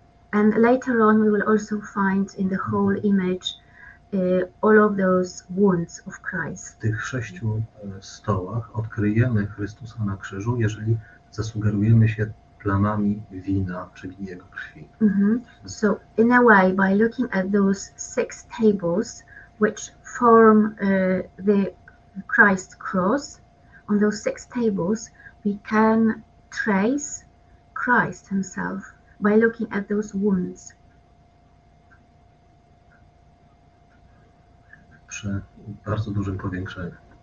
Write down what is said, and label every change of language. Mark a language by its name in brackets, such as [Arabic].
[English] And later on we will also find in the whole image all of those wounds of Christ. [Polish] W tych sześciu stołach odkryjemy Chrystusa na krzyżu, jeżeli zasugerujemy się plamami wina, czyli jego krwi. [English] So in a way, by looking at those six tables which form the Christ cross, on those six tables we can trace Christ himself by looking at those wounds. [Polish] Przy bardzo dużym powiększeniu.